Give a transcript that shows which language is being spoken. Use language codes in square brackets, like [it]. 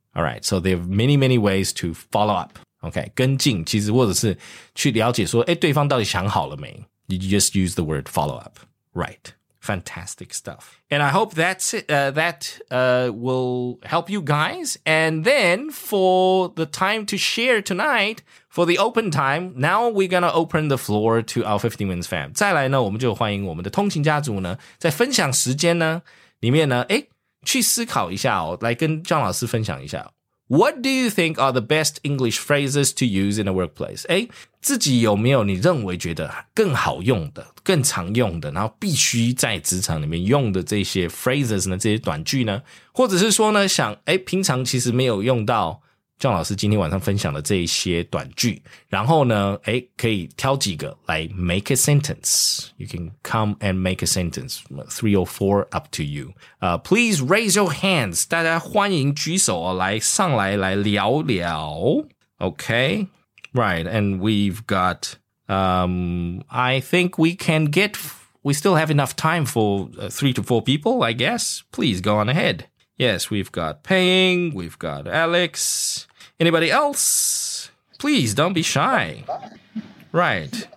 [en] All right, so there are many, many ways to follow up. Okay, [zh] 跟进其实或者是去了解说诶对方到底想好了没 [en] You just use the word follow up. Right, fantastic stuff. And I hope will help you guys. And then for the time to share tonight, for the open time, now we're going to open the floor to our 15 Wins fam. [zh] 再来呢我们就欢迎我们的通勤家族呢在分享时间呢里面呢诶去思考一下哦，来跟姜老师分享一下。 [en] What do you think are the best English phrases to use in a workplace? [zh] 诶，自己有没有你认为觉得更好用的、更常用的，然后必须在职场里面用的这些 phrases 呢？这些短句呢？或者是说呢，想诶，平常其实没有用到姜老师今天晚上分享的这一些短句，然后呢，诶，可以挑几个来 [en] make a sentence. You can come and make a sentence, 3 or 4 up to you. Please raise your hands. [zh] 大家欢迎举手哦，来上来来聊聊。 [en] Okay, right, and we've got, I think we can get, we still have enough time for 3 to 4 people, I guess. Please go on ahead. Yes, we've got Paying, we've got Alex. Anybody else? Please don't be shy. Right.